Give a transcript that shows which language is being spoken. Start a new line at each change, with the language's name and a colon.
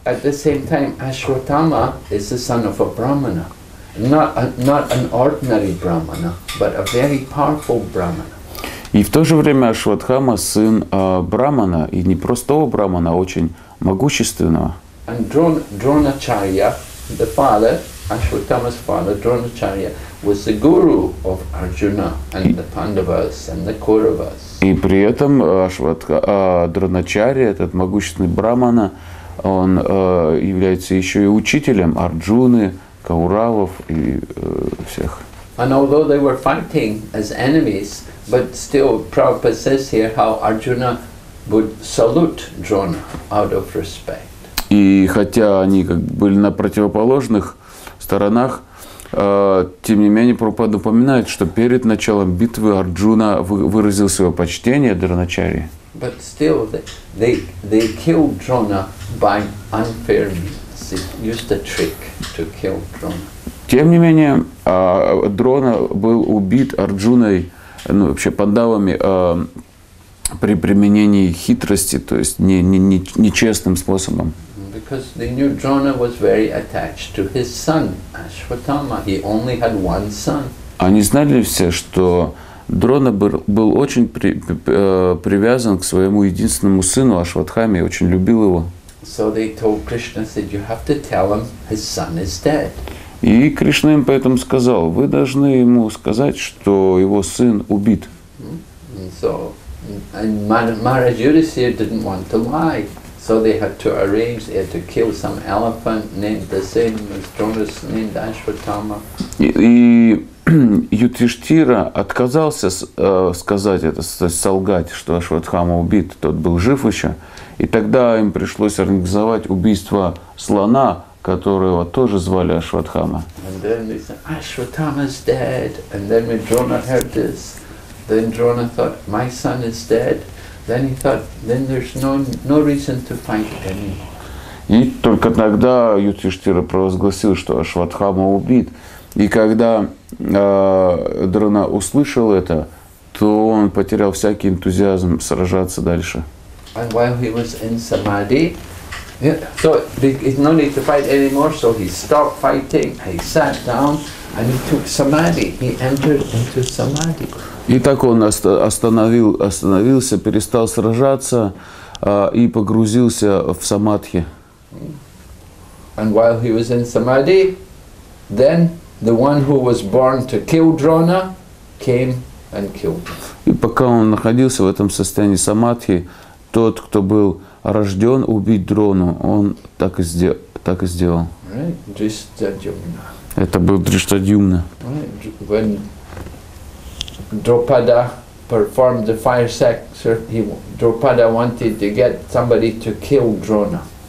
English: At the same time, Ashwatthama is the son of a brahmana, not an ordinary brahmana, but a very powerful brahmana.
Russian: И в то же время Ашватхама сын брахмана, и не простого брахмана, а очень могущественного.
English: And Dronacharya, the father, Ashwatthama's father, Dronacharya, was the guru of Arjuna and the Pandavas and the Kauravas.
Russian: И при этом Дроначарья, этот могущественный брахмана, он является еще и учителем Арджуны, Кауравов и всех.
English: And although they were fighting as enemies, but still Prabhupada says here how Arjuna would salute Drona out of respect.
Russian: И хотя они как были на противоположных сторонах, тем не менее Прабхупада упоминает, что перед началом битвы Арджуна выразил свое почтение Дроначарье.
English: But still they killed Drona by unfair means. They used a trick to kill Drona.
Russian: Тем не менее Дрона был убит Арджуной, ну вообще пандавами, при применении хитрости, то есть нечестным способом.
English: Because they knew Drona was very attached to his son Ashwatthama. He only had one son.
Russian: Они знали все, что Дрона был очень привязан к своему единственному сыну Ашватхаме и очень любил его.
English: So they told Krishna, said, you have to tell him his son is dead.
Russian: И Кришна им поэтому сказал, вы должны ему сказать, что его сын убит.
English: So, and Maharaj Yudhisthira didn't want to lie. So they had to arrange, they had to kill some elephant named the same as Drona's named Ashwatthama.
Russian: И Юдхиштхира отказался сказать это, солгать, что Ашватхама убит, тот был жив еще. И тогда им пришлось организовать убийство слона, которого тоже звали Ашватхама.
English: And then they said, Ashwatthama's dead. And then when Drona heard this, then Drona thought, my son is dead. Then he thought, then there's no reason to fight anymore.
Russian: И только тогда Юдхиштхира провозгласил, что Ашватхама убит. И когда Дрона услышал это, то он потерял всякий энтузиазм сражаться дальше.
English: And while he was in Samadhi, so there's no need to fight anymore, so he stopped fighting, he sat down, and he took Samadhi, he entered into Samadhi.
Russian: И так он остановился, перестал сражаться и погрузился в самадхи.
English: And while he was in Samadhi, then the one who was born to kill Drona came and killed him.
Russian: И пока он находился в этом состоянии самадхи, тот, кто был рожден убить Дрону, он так и сделал.
English: Right, Дриштадюмна.
Russian: Это был Дриштадюмна.
English: Right. When Draupada performed the fire sacrifice, Draupada wanted to get somebody to kill Drona.